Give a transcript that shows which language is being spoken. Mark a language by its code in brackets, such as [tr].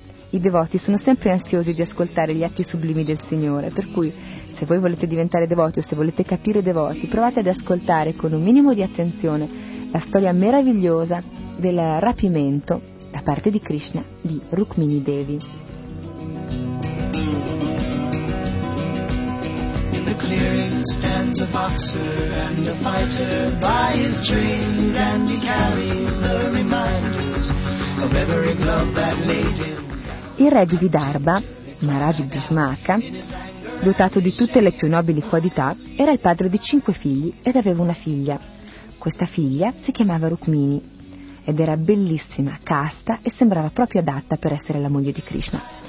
[it] I devoti sono sempre ansiosi di ascoltare gli atti sublimi del Signore, per cui se voi volete diventare devoti o se volete capire devoti, provate ad ascoltare con un minimo di attenzione la storia meravigliosa del rapimento da parte di Krishna di Rukmini Devi. [en] In the clearing stands a boxer and a fighter by his trained, and he carries the reminders of every glove that laid him. [it] Il re di Vidarbha, Maharaj Bhishmaka, dotato di tutte le più nobili qualità, era il padre di 5 figli ed aveva una figlia. Questa figlia si chiamava Rukmini ed era bellissima, casta e sembrava proprio adatta per essere la moglie di Krishna.